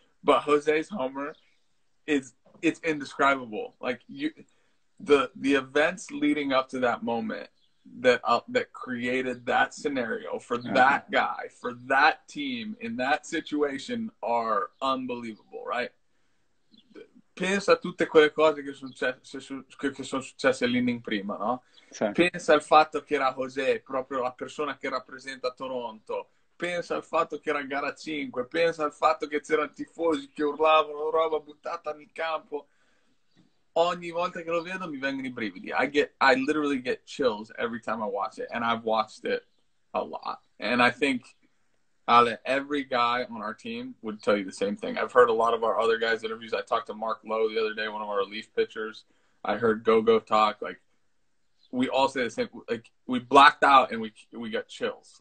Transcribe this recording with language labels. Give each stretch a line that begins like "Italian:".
English: But Jose's homer it's indescribable. Like, the events leading up to that moment that created that scenario for that guy, for that team in that situation are unbelievable, right?
Italian: pensa a tutte quelle cose che sono successe l'inning prima, no? Sì. Pensa al fatto che era José, proprio la persona che rappresenta Toronto. Pensa al fatto che era gara 5. Pensa al fatto che c'erano tifosi che urlavano, roba buttata nel campo. Ogni volta che lo vedo mi vengono i brividi.
English: I literally get chills every time I watch it. And I've watched it a lot. And I think, Ale, every guy on our team would tell you the same thing. I've heard a lot of our other guys' interviews. I talked to Mark Lowe the other day, one of our relief pitchers. I heard Go-Go talk. Like, we all say the same. Like, we blacked out and we got chills.